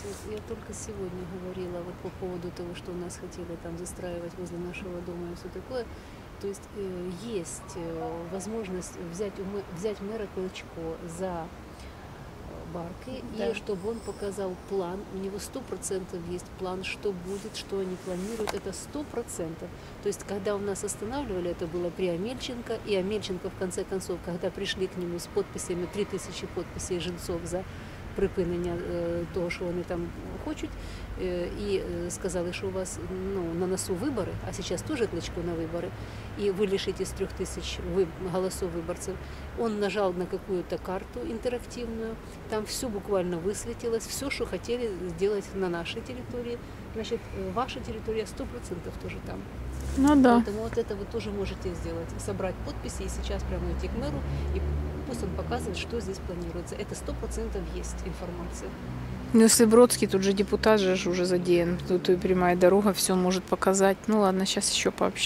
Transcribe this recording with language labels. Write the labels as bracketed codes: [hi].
[ru] Вот я только сегодня говорила вот по поводу того, что у нас хотели там застраивать возле нашего дома и все такое. То есть есть возможность взять мэра Колчко за барки, да. И чтобы он показал план, у него 100% есть план, что будет, что они планируют, это 100%. То есть, когда у нас останавливали, это было при Амельченко, и Амельченко, в конце концов, когда пришли к нему с подписями, 3000 подписей жильцов [uk] за припинення того, що вони там хочуть, і сказали, що у вас ну, на носу вибори, а зараз теж Кличко на вибори, і ви лишите з 3000 голосів виборців. Він нажав на якусь карту інтерактивну, там все буквально висвітилось, все, що хотіли зробити на нашій території. Значить, ваша територія 100% теж там. Ну, да. Тому от це ви теж можете зробити. Собрати підписи і зараз прямо йти [ru] к меру і пусть он показывает, что здесь планируется. Это 100% есть информация. Ну, если Бродский, тут же депутат же уже задеян. Тут и прямая дорога, все может показать. Ну ладно, сейчас еще пообщаемся.